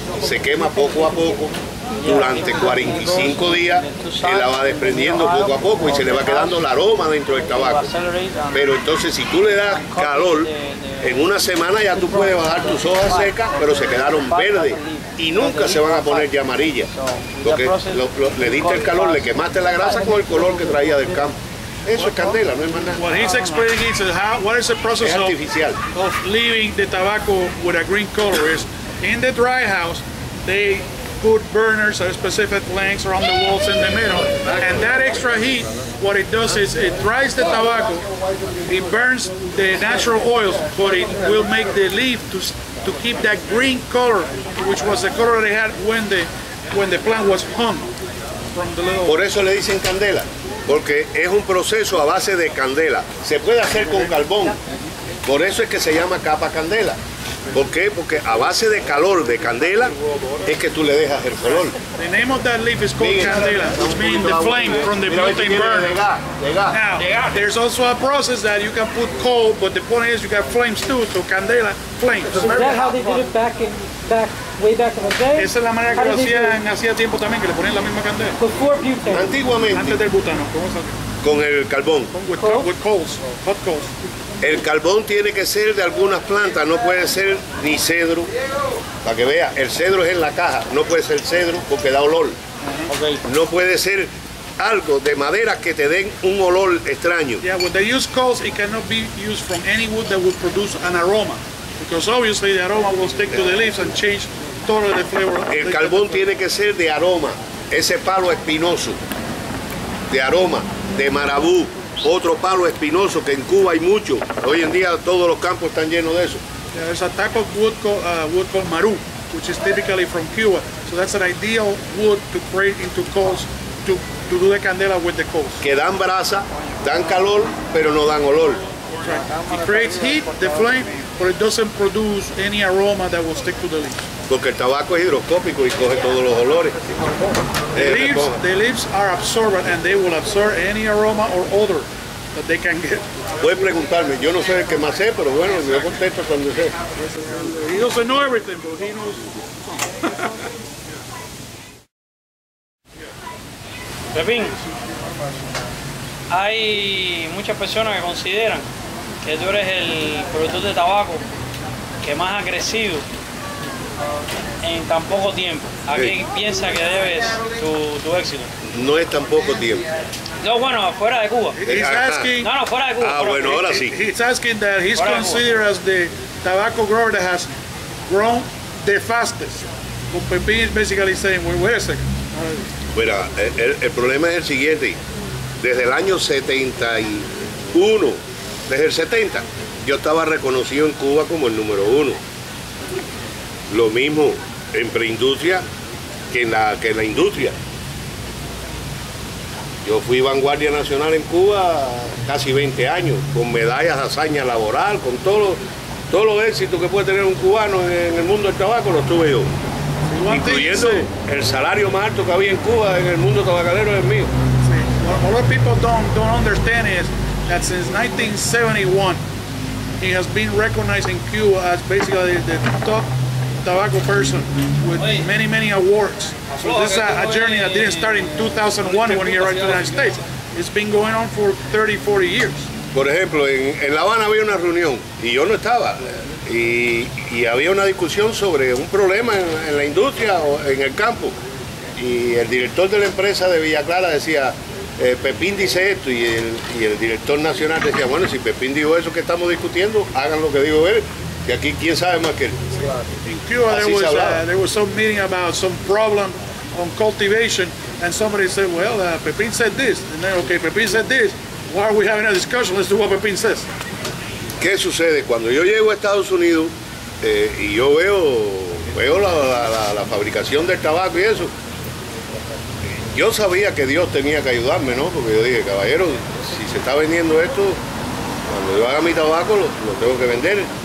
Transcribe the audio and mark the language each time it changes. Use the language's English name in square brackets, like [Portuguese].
[Spanish] Se quema poco a poco, durante 45 días, que la va desprendiendo poco a poco y se le va quedando el aroma dentro del tabaco. Pero entonces, si tú le das calor, en una semana ya tú puedes bajar tus hojas secas, pero se quedaron verdes y nunca se van a poner ya amarillas. Porque le diste el calor, le quemaste la grasa con el color que traía del campo. Eso es candela, no es más nada. [English] What he's explaining is how, what is the process of leaving the tobacco with a green color is in the dry house, they put burners at a specific lengths around the walls in the middle, and that extra heat, what it does is it dries the tobacco, it burns the natural oils, but it will make the leaf to keep that green color, which was the color they had when the plant was hung from the little. [Spanish] Por eso le dicen candela, porque es un proceso a base de candela. Se puede hacer con carbón, por eso es que se llama capa candela. ¿Por qué? Porque a base de calor de candela es que tú le dejas el color. [English] The name of that leaf is called candela, which means the flame from the melting burn. Now, there's also a process that you can put coal, but the point is you got flames too, so candela, flames. Is that how they did it way back in the day? [Spanish] Esa es la manera que lo hacían hacía tiempo también, que le ponían la misma candela. [English] Before butane. [Spanish] Antiguamente. Antes del butano. ¿Cómo se hace? Con el carbón. [English] With coals, hot coals. [Spanish] El carbón tiene que ser de algunas plantas, no puede ser ni cedro. Para que vea, el cedro es en la caja, no puede ser cedro porque da olor. [English] Okay. [Spanish] No puede ser algo de madera que te den un olor extraño. [English] Yeah, when they use coals, it cannot be used from any wood that would produce an aroma. Because obviously the aroma will stick to the leaves and change totally the flavor. [Spanish] El carbón tiene que ser de aroma, ese palo espinoso, de aroma, de marabú. Otro palo espinoso que en Cuba hay mucho. Hoy en día todos los campos están llenos de eso. [English] Yeah, there's a type of wood called maru, which is typically from Cuba. So that's an ideal wood to create into coals to do the candela with the coals. [Spanish] Que dan brasa, dan calor, pero no dan olor. [English] Right. It creates heat, the flame, but it doesn't produce any aroma that will stick to the leaves. [Spanish] Porque el tabaco es higroscópico y coge todos los olores. [English] The leaves are absorbent and they will absorb any aroma or odor that they can get. [Spanish] Puedes preguntarme, yo no sé el que más sé, pero bueno, yo contesto cuando sé. [English] He doesn't know everything, but he knows. [Spanish] Pepín, hay muchas personas que consideran que tú eres el productor de tabaco que más ha crecido en tan poco tiempo. ¿A quién piensa que debes tu éxito? No es tan poco tiempo. No, bueno, fuera de Cuba. Fuera de Cuba. Ah, bueno, ahora sí. [English] He's asking that he's considered as the tobacco grower that has grown the fastest. But Pepín is basically saying, wait a second. [Spanish] Mira, el problema es el siguiente. Desde el año 71, desde el 70, yo estaba reconocido en Cuba como el número uno. Lo mismo en preindustria que en la industria. Yo fui vanguardia nacional en Cuba casi 20 años, con medallas de hazaña laboral, con todos los éxitos que puede tener un cubano en el mundo del tabaco, los tuve yo. Incluyendo el salario más alto que había en Cuba en el mundo tabacalero es mío. [English] What a lot of people don't understand is that since 1971, he has been recognized in Cuba as basically the top tobacco person with many, many awards. So this is a journey that didn't start in 2001 when he arrived to the United States. It's been going on for 30, 40 years. [Spanish] Por ejemplo, en La Habana había una reunión y yo no estaba. Y había una discusión sobre un problema en la industria o en el campo. Y el director de la empresa de Villa Clara decía, Pepín dice esto, y el director nacional decía, bueno, si Pepín dijo eso que estamos discutiendo, hagan lo que digo él, que aquí quién sabe más que él. [English] In Cuba there was some meeting about some problem on cultivation, and somebody said, well, Pepín said this, and then, okay, Pepín said this, why are we having a discussion, let's do what Pepín says. [Spanish] ¿Qué sucede? Cuando yo llego a Estados Unidos, y yo veo la fabricación del tabaco y eso, yo sabía que Dios tenía que ayudarme, ¿no? Porque yo dije, caballero, si se está vendiendo esto, cuando yo haga mi tabaco, lo tengo que vender.